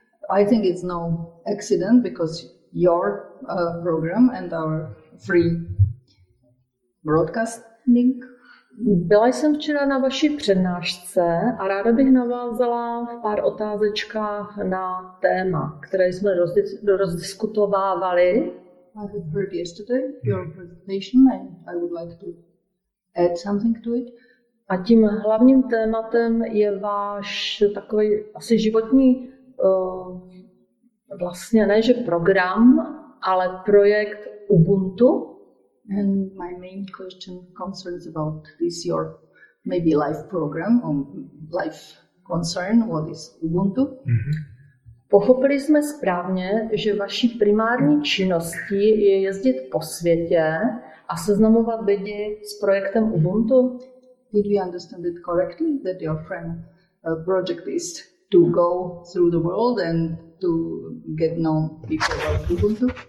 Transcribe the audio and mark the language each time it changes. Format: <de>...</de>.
<en>I think it's no accident because your program and our free broadcasting.</en> <cs>Byla jsem včera na vaší přednášce a ráda bych navázala v pár otázečkách na téma, které jsme rozdiskutovávali.</cs> <en>I have heard yesterday your presentation and I would like to add something to it.</en> <cs>A tím hlavním tématem je váš takový asi životní, vlastně ne že program, ale projekt Ubuntu.</cs> <en>And my main question concerns about this your maybe life program or life concern, what is Ubuntu? Mm-hmm.</en> <cs>Pochopili jsme správně, že vaší primární činností je jezdit po světě a seznamovat lidi s projektem Ubuntu?</cs> <en>Did we understand it correctly that your friend project is to go through the world and to get known people about Ubuntu?</en>